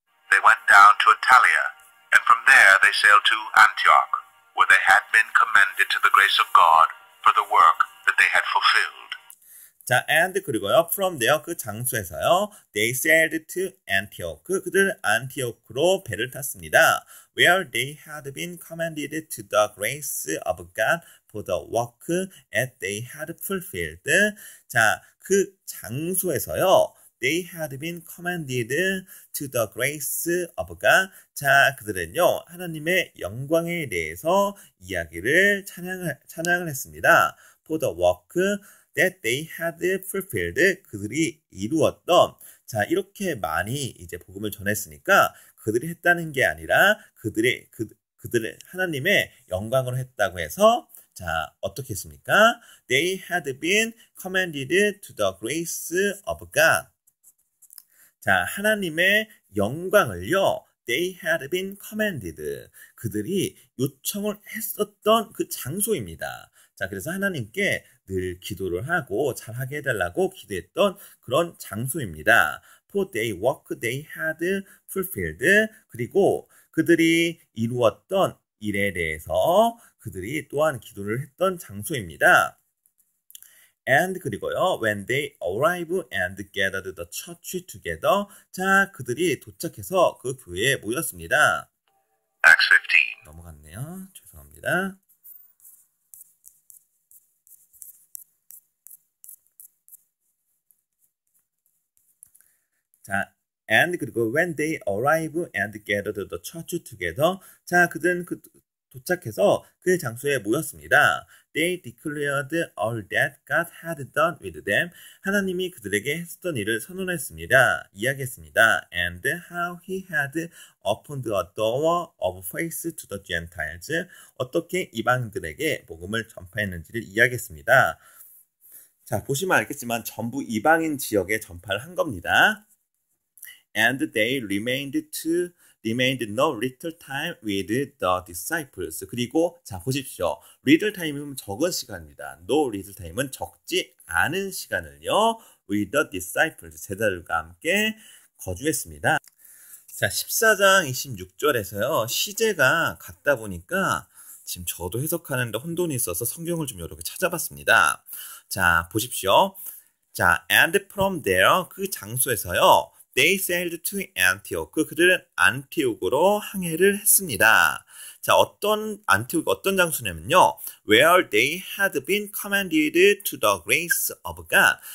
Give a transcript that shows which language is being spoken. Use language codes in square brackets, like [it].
[en] They went down to Attalia, and from there they sailed to Antioch, where they had been commended to the grace of God for the work that they had fulfilled. 자, and 그리고요, from there [ko] 그 장소에서요, [en] they sailed to Antioch. [ko] 그들은 안티오크로 배를 탔습니다. [en] Where they had been commended to the grace of God for the work that they had fulfilled. 자, [ko] 그 장소에서요, [en] they had been commended to the grace of God. [ko] 자, 그들은요, 하나님의 영광에 대해서 이야기를 찬양을 했습니다. [en] For the work that they had fulfilled, [ko] 그들이 이루었던, 자, 이렇게 많이 이제 복음을 전했으니까, 그들이 했다는 게 아니라, 그들의, 하나님의 영광으로 했다고 해서, 자, 어떻게 했습니까? [en] They had been commended to the grace of God. [ko] 자, 하나님의 영광을요, [en] they had been commended. [ko] 그들이 요청을 했었던 그 장소입니다. 자, 그래서 하나님께 늘 기도를 하고 잘 하게 해달라고 기도했던 그런 장소입니다. [en] For they work they had fulfilled. [ko] 그리고 그들이 이루었던 일에 대해서 그들이 또한 기도를 했던 장소입니다. [en] And [ko] 그리고요, [en] when they arrive and gathered the church together. [ko] 자, 그들이 도착해서 그 교회에 모였습니다. [en] Acts 15. [ko] 넘어갔네요. 죄송합니다. [en] 자, and 그리고 when they arrive and gathered the church together. [ko] 자, 그들은 그 도착해서 그 장소에 모였습니다. [en] They declared all that God had done with them. [ko] 하나님이 그들에게 했었던 일을 선언했습니다. 이야기했습니다. [en] And how he had opened a door of faith to the Gentiles. [ko] 어떻게 이방인들에게 복음을 전파했는지를 이야기했습니다. 자, 보시면 알겠지만 전부 이방인 지역에 전파를 한 겁니다. [en] And they remained no little time with the disciples. [ko] 그리고, 자, 보십시오. little time이면 적은 시간입니다. no little time은 적지 않은 시간을요, [en] with the disciples, [ko] 제자들과 함께 거주했습니다. 자, 14장 26절에서요, 시제가 같다 보니까 지금 저도 해석하는데 혼돈이 있어서 성경을 좀 여러 개 찾아봤습니다. 자, 보십시오. [en] 자, and from there, [ko] 그 장소에서요, [en] They sailed to Antioch. [ko] 그들은 안티옥으로 항해를 했습니다. 자, 어떤 안티옥 어떤 장소냐면요. [en] Where they had been commanded to the grace of God.